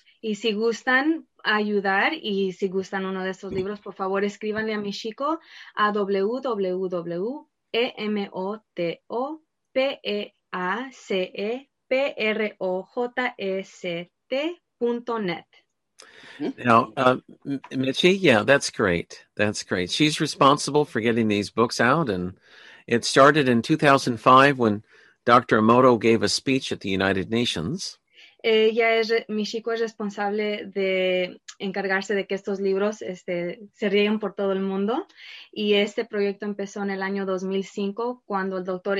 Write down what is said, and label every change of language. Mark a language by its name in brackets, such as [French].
[Spanish] Y si gustan ayudar y si gustan uno de estos libros, por favor escríbanle a Michiko a www.emotopeaceproject.net. [English] Now, Michi, yeah, that's great. That's great. She's responsible for getting these books out, and it started in 2005 when Dr. Emoto gave a speech at the United Nations. [Spanish] Michiko es responsable de encargarse de que estos libros se rieguen por todo el mundo. Y este proyecto empezó en el año 2005 cuando el Dr.